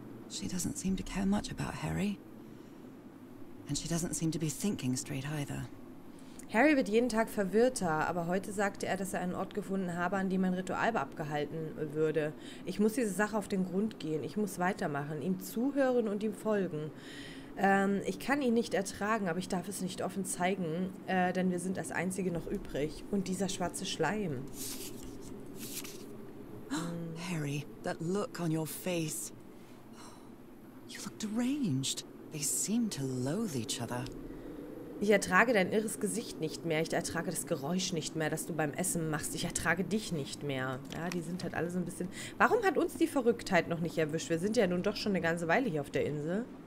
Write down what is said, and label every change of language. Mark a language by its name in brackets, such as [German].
[English] She doesn't seem to care much about Harry. And she doesn't seem to be thinking straight either. [German] Harry wird jeden Tag verwirrter, aber heute sagte er, dass er einen Ort gefunden habe, an dem ein Ritual abgehalten würde. Ich muss diese Sache auf den Grund gehen. Ich muss weitermachen, ihm zuhören und ihm folgen. Ich kann ihn nicht ertragen, aber ich darf es nicht offen zeigen, denn wir sind als Einzige noch übrig. Und dieser schwarze Schleim. [English] Harry, that look on your face. You look deranged. They seem to loathe each other. [German] Ich ertrage dein irres Gesicht nicht mehr. Ich ertrage das Geräusch nicht mehr, das du beim Essen machst. Ich ertrage dich nicht mehr. Ja, die sind halt alle so ein bisschen... Warum hat uns die Verrücktheit noch nicht erwischt? Wir sind ja nun doch schon eine ganze Weile hier auf der Insel.